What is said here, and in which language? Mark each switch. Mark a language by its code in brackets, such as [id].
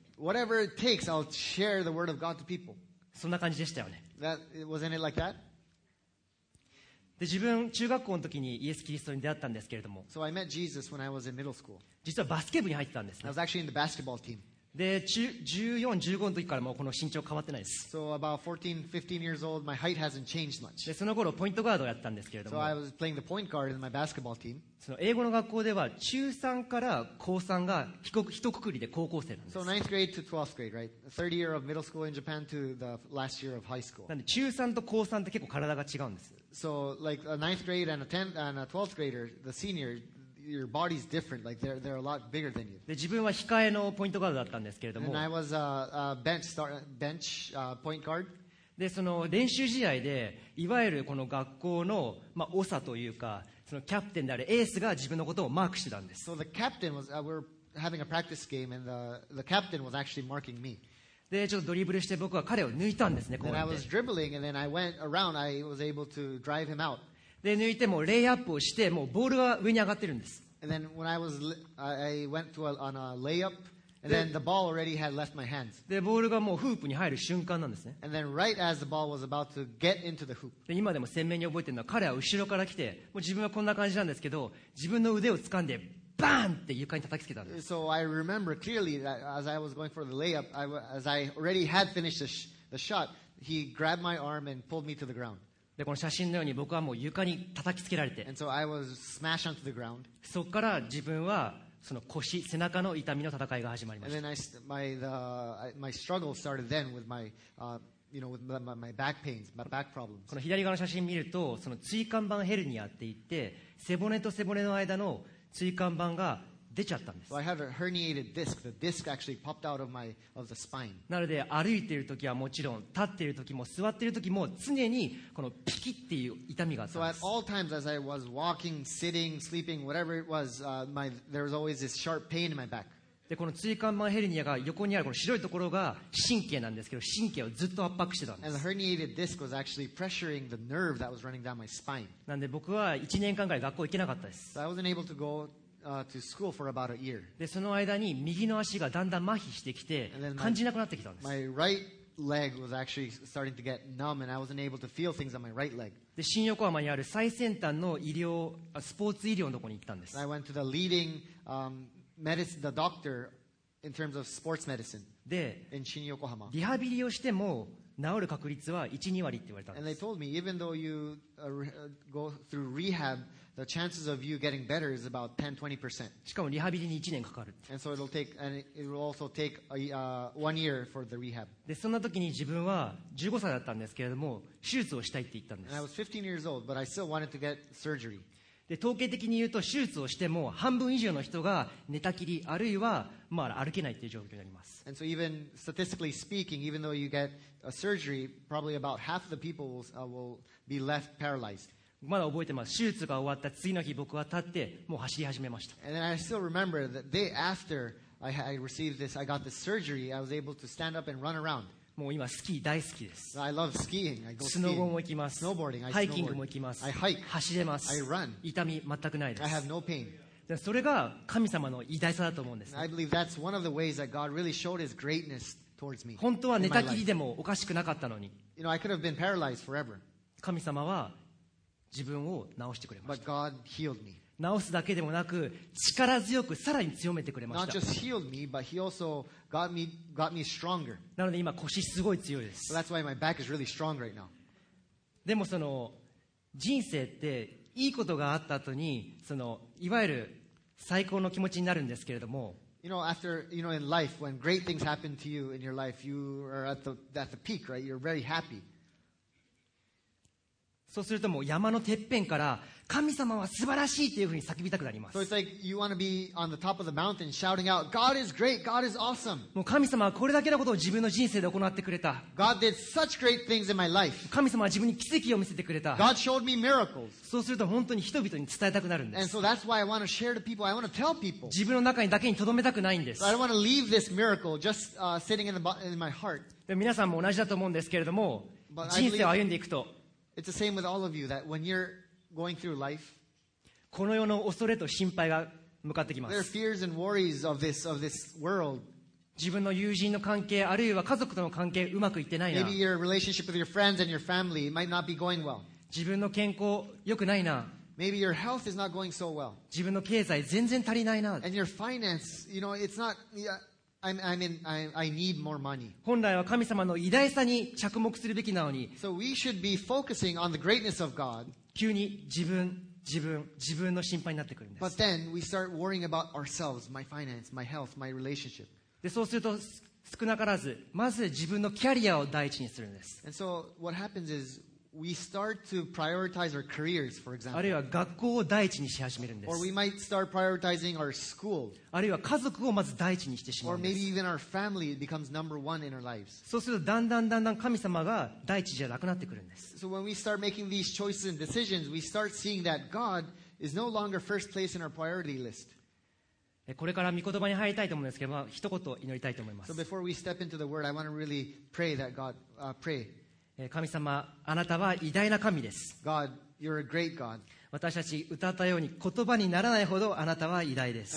[en] Whatever it takes, I'll share the word of God to people. [ja] そんな感じでしたよね。 [en] Wasn't it like that? [ja] で自分中学校の時にイエス・キリストに出会ったんですけれども、 [en] so、I met Jesus when I was in middle school. [ja] 実はバスケ部に入ってたんですね。 [en] I was actually in the basketball team. [ja] で14、15の時からもこの身長変わってないです。 [en] So about 14, 15 years old, my height hasn't changed much. [ja] でその頃ポイントガードをやったんですけれども、 [en] so、I was playing the point guard in my basketball team. [ja] その英語の学校では中3から高3が一括りで高校生なんです。 [en] So 9th grade to 12th grade, right? The third year of middle school in Japan to the last year of high school. [ja] なんで中3と高3って結構体が違うんです。 [en] So like a 9th grade and a 10th and a 12th grader, the senior, your body's different. Like they're a lot bigger than you. [ja] で自分は控えのポイントガードだったんですけれども。 [en] And I was a bench start bench point guard. [ja] でその練習試合でいわゆるこの学校のまあ長というかそのキャプテンであるエースが自分のことをマークしてたんです。 [en] So the captain was we were having a practice game and the captain was actually marking me. [ja] でちょっとドリブルして僕は彼を抜いたんですね。こうやって。 [en] Then I was dribbling and then I went around. I was able to drive him out. [ja] で抜いてもレイアップをしてもうボールが上に上がってるんです。 [en] And then when I went to on a layup and then the ball already had left my hands. [ja] でボールがもうフープに入る瞬間なんですね。 [en] And then right as the ball was about to get into the hoop. [ja] で今でも鮮明に覚えてるのは彼は後ろから来てもう自分はこんな感じなんですけど自分の腕を掴んで。バーンって床に叩きつけたんです。 [en] So I remember clearly that as I was going for the layup, as I already had finished the shot, he grabbed my arm and pulled me to the ground. [ja] で、この写真のように僕はもう床に叩きつけられて。 [en] And so I was smashed onto the ground. [ja] そこから自分はその腰、背中の痛みの戦いが始まりました。 [en] And then my struggle started then with my back pains, my back problems. [ja] この左側の写真見ると、その椎間板ヘルニアって言って、背骨と背骨の間の椎間板が出ちゃったんです。 [en] So I had a herniated disc. The disc actually popped out of the spine. [ja] なので歩いている時はもちろん、立っている時も座っている時も常にこのピキっていう痛みがあったんです。 [en] So at all times as I was walking, sitting, sleeping, whatever it was, there was always this sharp pain in my back. [ja] でこの椎間板ヘルニアが横にあるこの白いところが神経なんですけど、神経をずっと圧迫してたんです。 [en] And the herniated disc was actually pressuring the nerve that was running down my spine. [ja] なんで僕は1年間ぐらい学校行けなかったです。 [en] So I wasn't able to go to school for about a year. [ja] でその間に右の足がだんだん麻痺してきて感じなくなってきたんです。 [en] My right leg was actually starting to get numb and I wasn't able to feel things on my right leg. [ja] で新横浜にある最先端の医療、スポーツ医療のところに行ったんです。 [en] I went to the leading medicine, the doctor in terms of sports medicine. で、 in 新横浜。 [ja] リハビリをしても治る確率は 1,2 割って言われたんです。 [en] And they told me, even though you go through rehab, the chances of you getting better is about 10-20%. [ja] しかもリハビリに1年かかる。 [en] And so it'll take, and it will also take one year for the rehab. [ja] で、そんな時に自分は15歳だったんですけれども、手術をしたいって言ったんです。 [en] And I was 15 years old, but I still wanted to get surgery. [ja] で統計的に言うと手術をしても半分以上の人が寝たきりあるいは、まあ、歩けないという状況になります。 [en] And so even statistically speaking, even though you get a surgery, probably about half the people will be left paralyzed. [ja] まだ覚えてます。手術が終わった次の日僕は立ってもう走り始めました。 [en] And I still remember the day after I received this, I got this surgery, I was able to stand up and run around. [ja] もう今スキー大好きです。 [en] I love skiing. I go skiing. [ja] スノボも行きます。 [en] Snowboarding. [ja] ハイキングも行きます。 [en] I hike. [ja] 走れます。 [en] I run. [ja] 痛み全くないです。 [en] I have no pain. [ja] それが神様の偉大さだと思うんです、ね。 [en] I believe that's one of the ways that God really showed His greatness towards me. [ja] 本当は寝たきりでもおかしくなかったのに。 [en] You know, I could have been paralyzed forever. [ja] 神様は自分を治してくれました。 [en] But God healed me. [ja] 治すだけでもなく力強くさらに強めてくれました。 [en] Not just healed me, but He also got me stronger. [ja] なので今腰すごい強いです。 [en] So that's why my back is really strong right now. [ja] でもその人生っていいことがあった後にそのいわゆる最高の気持ちになるんですけれども。 [en] You know, after you know, in life, when great things happen to you in your life, you are at the peak, right? You're very happy. [ja] そうするともう山のてっぺんから神様は素晴らしいというふうに叫びたくなります。 [en] So it's like you want to be on the top of the mountain shouting out, God is great, God is awesome. [ja] もう神様はこれだけのことを自分の人生で行ってくれた。 [en] God did such great things in my life. [ja] 神様は自分に奇跡を見せてくれた。 [en] God showed me miracles. [ja] そうすると本当に人々に伝えたくなるんです。 [en] And so that's why I want to share to people. I want to tell people. [ja] 自分の中にだけに留めたくないんです。 [en] So I don't want to leave this miracle just sitting in my heart. [ja] で皆さんも同じだと思うんですけれども、人生を歩んでいくと。 [en] It's the same with all of you that when you're going through life, [ja] この世の恐れと心配が向かってきます。 [en] There are fears and worries of this world. [ja] 自分の友人の関係、あるいは家族との関係、うまくいってないな。 [en] Maybe your relationship with your friends and your family might not be going well. [ja] 自分の健康、良くないな。 [en] Maybe your health is not going so well. [ja] 自分の経済、全然足りないな。 [en] And your finance, you know, it's not, yeah, I need more money. [ja] 本来は神様の偉大さに着目するべきなのに。 [en] So we should be focusing on the greatness of God. [ja] 急に自分、自分、自分の心配になってくるんです。 [en] But then we start worrying about ourselves, my finance, my health, my relationship. [ja] でそうすると少なからずまず自分のキャリアを第一にするんです。 [en] And so what happens is we start to prioritize our careers, for example. [ja] あるいは学校を第一にし始めるんです。 [en] Or we might start prioritizing our school. [ja] あるいは家族をまず第一にしてしまうんです。 [en] Or maybe even our family becomes number one in our lives. [ja] そうするとだんだんだんだん神様が第一じゃなくなってくるんです。 [en] So when we start making these choices and decisions, we start seeing that God is no longer first place in our priority list. [ja] これから御言葉に入りたいと思うんですけど、一言祈りたいと思います。 [en] So before we step into the word, I want to really pray that God, pray. [ja] 神様、あなたは偉大な神です。 [en] God, you're a great God. [ja] 私たち歌ったように言葉にならないほどあなたは偉大です。